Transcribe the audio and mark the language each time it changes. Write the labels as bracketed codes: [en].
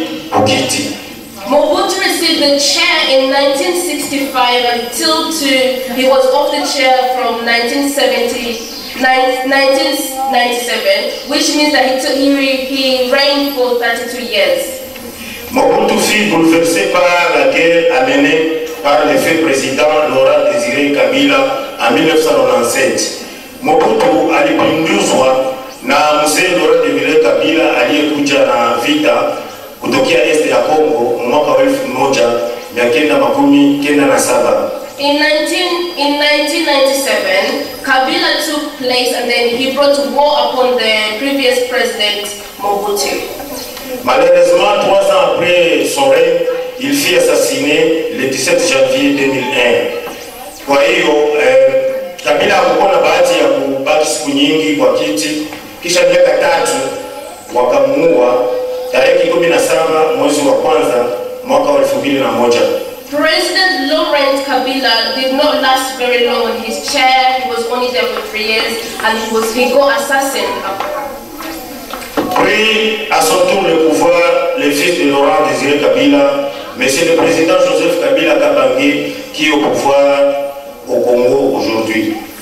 [en] Mobutu received the chair in 1965 until he was off the chair from 1997, which means that he reigned for 32 years. [fr] Mobutu fut bouleversé par la guerre amenée par le fait président Laurent Désiré Kabila en 1997. [sw] Mobutu alipinduzwa na mzee Laurent Désiré Kabila aliyekuja na vita kutokea este ya Congo mwaka wa 1997. [en] In 1997, Kabila took place and then he brought war upon the previous president Mobutu. [fr] Malheureusement, 3 ans après son règne, il fut assassiné le 17 janvier 2001. [sw] Kwa hiyo, Kabila hakukona bahati ya kubaki siku nyingi kwa kiti. Kisha miaka tatu wakamuua tarehe 17 mwezi wa kwanza mwaka wa 2001. [en] President Laurent Kabila did not last very long on his chair. He was only there for 3 years and he got assassinated. [fr] Puis, à son tour le pouvoir, le fils de Laurent Désiré Kabila, monsieur le président Joseph Kabila Kabangé, qui est au pouvoir au Congo aujourd'hui.